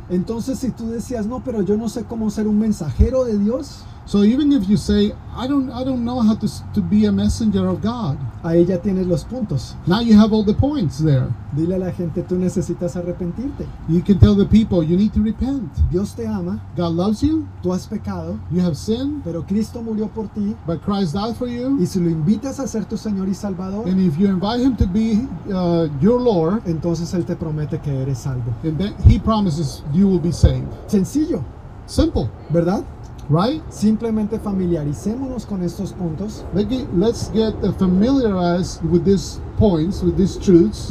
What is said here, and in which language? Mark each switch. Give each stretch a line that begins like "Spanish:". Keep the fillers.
Spanish: Entonces si tú decías no, pero yo no sé cómo ser un mensajero de Dios.
English: So even if you say I don't I don't know how to to be a messenger of God.
Spanish: Ahí ya tiene los puntos.
English: Now you have all the points there.
Spanish: Dile a la gente tú necesitas arrepentirte.
English: You can tell the people you need to repent.
Spanish: Dios te ama.
English: God loves you.
Spanish: Tú has pecado.
English: You have sinned.
Spanish: Pero Cristo murió por ti.
English: But Christ died for you.
Spanish: Y si lo invitas a ser tu señor y salvador.
English: And if you invite him to be uh, your Lord,
Spanish: entonces él te promete que eres salvo.
English: then he promises you will be saved.
Spanish: Sencillo.
English: Simple,
Spanish: ¿verdad? ¿Sí? Simplemente familiaricémonos con estos puntos.
English: Let's get familiarized with these points, with these truths.